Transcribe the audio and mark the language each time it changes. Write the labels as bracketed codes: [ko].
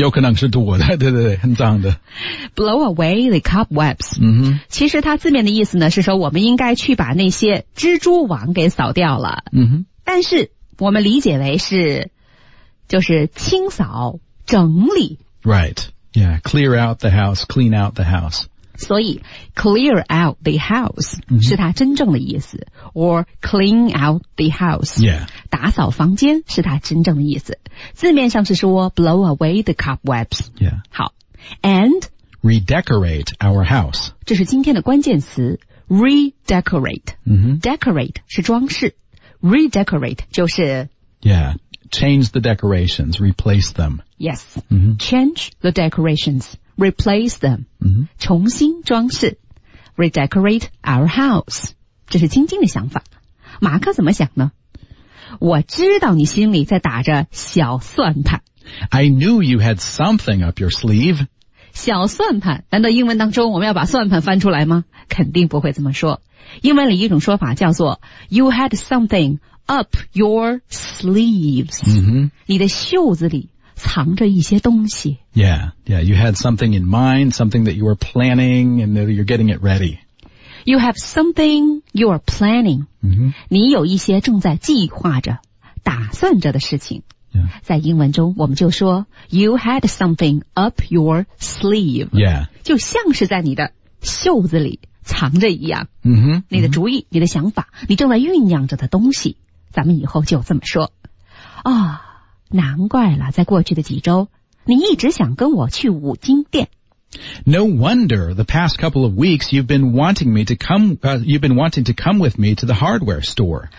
[zh] 有可能是多的，对对对，很脏的。 [en] Blow away the cobwebs. [zh] 其实它字面的意思呢，是说我们应该去把那些蜘蛛网给扫掉了。但是我们理解为是，就是清扫、整理。 [en] Right, yeah, clear out the house, clean out the house. [zh] 所以 [en] clear out the house [zh] 是它真正的意思 [en] or clean out the house、 yeah. [zh] 打扫房间是它真正的意思字面上是说 [en] blow away the cobwebs、 yeah. [zh] 好 and [en] redecorate our house [zh] 这是今天的关键词 redecorate、decorate 是装饰 redecorate 就是 [en] Yeah. Change the decorations, replace them. Yes. Mm-hmm. Change the decorations, replace them. Mm-hmm. [zh] 重新装饰, [en] redecorate our house. [zh] 这是晶晶的想法。马克怎么想呢？我知道你心里在打着小算盘。 [en] I knew you had something up your sleeve. [zh] 小算盘，难道英文当中我们要把算盘翻出来吗？肯定不会这么说。英文里一种说法叫做 [en] you had something up your sleeves.、 Mm-hmm. [zh] 你的袖子里藏着一些东西。 [en] Yeah, yeah, you had something in mind, something that you were planning and that you're getting it ready. You have something you're planning.、 Mm-hmm. [zh] 你有一些正在计划着、打算着的事情。 [en] Yeah. [zh] 在英文中我们就说 [en] You had something up your sleeve. Yeah. [zh] 就像是在你的袖子里藏着一样。 Mm-hmm. 你的主意、 mm-hmm. 你的想法、你正在酝酿着的东西。咱们以后就这么说。哦，难怪了，在过去的几周你一直想跟我去五金店。 [en] No wonder the past couple of weeks you've been wanting me to come,、you've been wanting to come with me to the hardware store.